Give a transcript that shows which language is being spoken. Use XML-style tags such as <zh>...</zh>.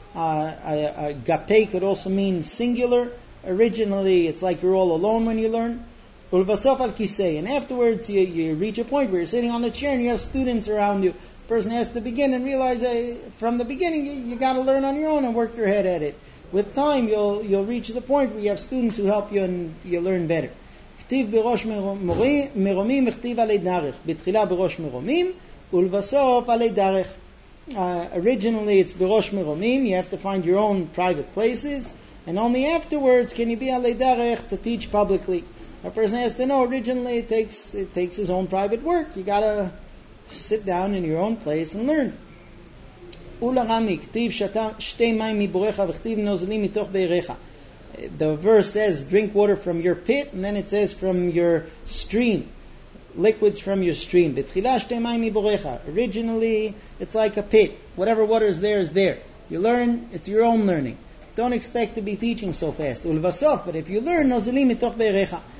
<en>Gapei could also mean singular. Originally, it's like you're all alone when you learn. And afterwards, you reach a point where you're sitting on the chair and you have students around you. The person has to begin and realize from the beginning, you got to learn on your own and work your head at it. With time, you'll reach the point where you have students who help you and you learn better.</en> <he>כתיב בראש מרומים מכתיב עלי דרך. בתחילה בראש מרומים ולבסוף עלי דרך.</he> <en>Originally, it's</en> <he>בראש מרומים.</he> <en>You have to find your own private places. And only afterwards can you be</en> <he>עלי דרך</he> <en>to teach publicly. A person has to know, originally it takes his own private work. You gotta sit down in your own place and learn.</en> <he>ולרמי, כתיב שתי מים מבורך וכתיב נוזלים מתוך בעיריך.</he> <en>The verse says, drink water from your pit, and then it says, from your stream. Liquids from your stream.</en> <he>בתחילה שתי מים מבורך.</he> <en>Originally, it's like a pit. Whatever water is there, is there. You learn, it's your own learning. Don't expect to be teaching so fast. ולבסוף, but if you learn,</en> <he>נוזלים מתוך בעיריך.</he>